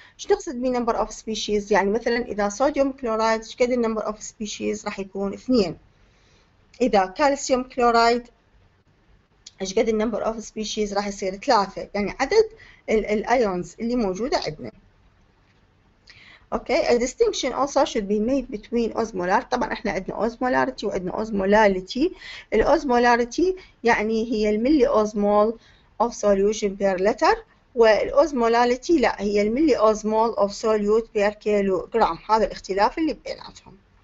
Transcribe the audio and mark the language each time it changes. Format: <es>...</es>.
<ar>ايش نقصد بـ number of species؟ يعني مثلا اذا صوديوم كلورايد ايش قد number of species راح يكون؟ 2. اذا كالسيوم كلورايد ايش قد number of species؟ راح يصير 3، يعني عدد الايونز اللي موجودة عندنا.</ar> <en>Okay, a distinction also should be made between osmolar.</en> <ar>طبعا احنا عندنا osmolarity وعندنا osmolality. الاوزمولاريتي يعني هي الملي اوزمول</ar> <en>of solution per liter،</en> <ar>والأوزمولاليتي لا، هي الملي أوزمول أوف سوليوت بير كيلو جرام، هذا الاختلاف اللي بيناتهم.</ar>